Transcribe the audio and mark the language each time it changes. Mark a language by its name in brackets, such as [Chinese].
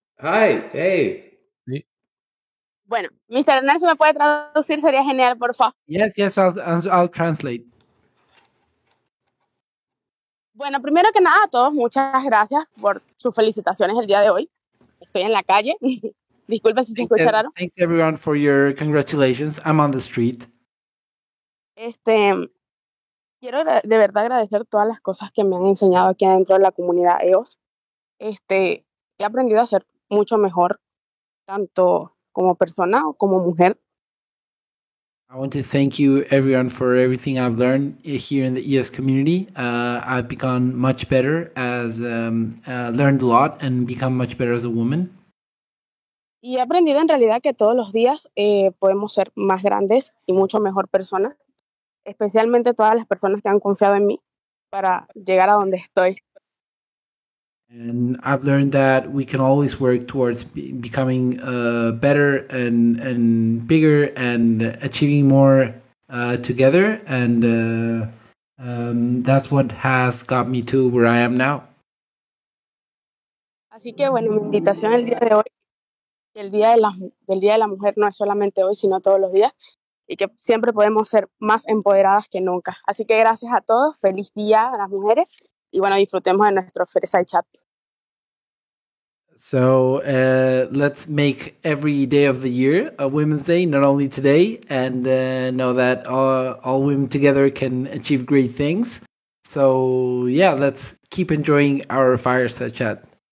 [English] Hi. Hey. [Spanish] Bueno, Mr. Hernández, ¿me puede traducir? Sería genial, por favor. [English] Yes, I'll translate. [Spanish] Bueno, primero que nada, a todos, muchas gracias por sus felicitaciones el día de hoy. Estoy en la calle. Disculpe si se escucha raro. [English] Thanks everyone for your congratulations. I'm on the street. [Spanish] Este, Quiero de verdad agradecer todas las cosas que me han enseñado aquí dentro de la comunidad EOS. He aprendido a ser mucho mejor, tanto como persona o como mujer. [English] I want to thank you, everyone, for everything I've learned here in the ES community. I've become much better as learned a lot and become much better as a woman. [Spanish] Y he aprendido en realidad que todos los días podemos ser más grandes y mucho mejor personas, especialmente todas las personas que han confiado en mí para llegar a donde estoy. [English] And I've learned that we can always work towards becoming better and bigger and achieving more together. And that's what has got me to where I am now. [Spanish] Así que bueno, mi invitación el día de hoy, el día de la mujer no es solamente hoy, sino todos los días, y que siempre podemos ser más empoderadas que nunca. Así que gracias a todos, feliz día a las mujeres, y bueno, disfrutemos de nuestro Fireside Chat. [English] So let's make every day of the year a Women's Day, not only today, and know that all women together can achieve great things. So yeah, let's keep enjoying our Fireside Chat.